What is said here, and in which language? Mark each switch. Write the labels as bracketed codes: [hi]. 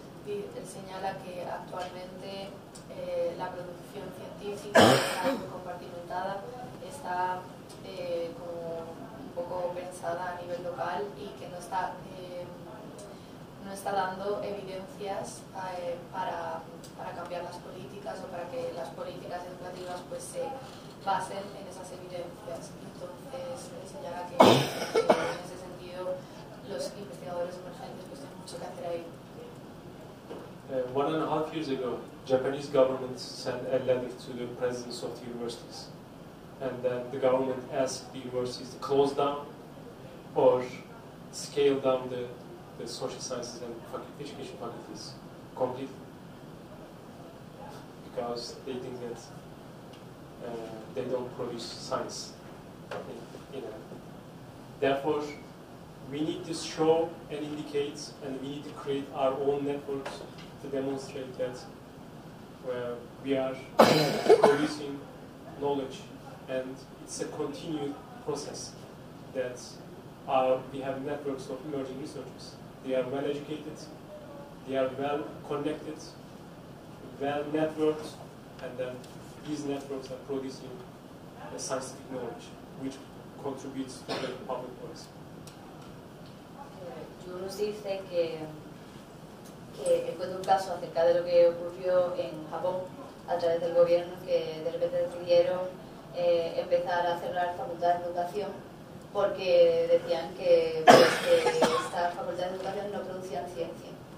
[es] Y él señala que actualmente la producción científica está muy compartimentada, está como un poco pensada a nivel local y que no está dando evidencias para cambiar las políticas o para que las políticas educativas pues se basen en esas evidencias. Entonces él señala que en ese sentido los investigadores emergentes pues tienen mucho que hacer ahí. [en] 1.5 years ago, Japanese government sent a letter to the presidents of the universities, and then the government asked the universities to close down or scale down the social sciences and education faculties completely, because they think that they don't produce science. Therefore, we need to show and indicate, and we need to create our own networks to demonstrate that we are producing knowledge, and it's a continued process that we have networks of emerging researchers. They are well educated, they are well connected, well networked, and then these networks are producing a scientific knowledge which contributes to the public policy. [es] Tú nos dice que encuentro un caso acerca de lo que ocurrió en Japón a través del gobierno, que de repente decidieron empezar a cerrar facultades de educación porque decían que estas facultades de educación no producían ciencia.